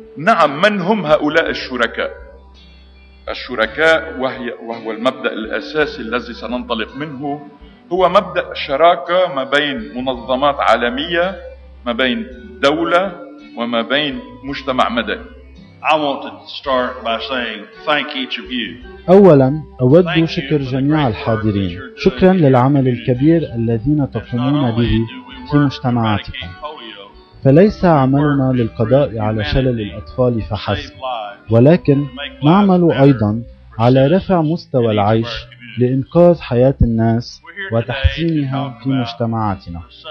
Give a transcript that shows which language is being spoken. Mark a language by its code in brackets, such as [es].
[ar] نعم، من هم هؤلاء الشركاء؟ الشركاء وهو المبدأ الأساسي الذي سننطلق منه هو مبدأ شراكة ما بين منظمات عالمية، ما بين دولة، وما بين مجتمع مدني. [en] I want to start by saying thank each of you. [ar] اولا اود شكر جميع الحاضرين. شكرا للعمل الكبير الذين تقومون به في مجتمعاتكم. فليس عملنا للقضاء على شلل الاطفال فحسب، ولكن نعمل ايضا على رفع مستوى العيش لإنقاذ حياة الناس وتحسينها في مجتمعاتنا.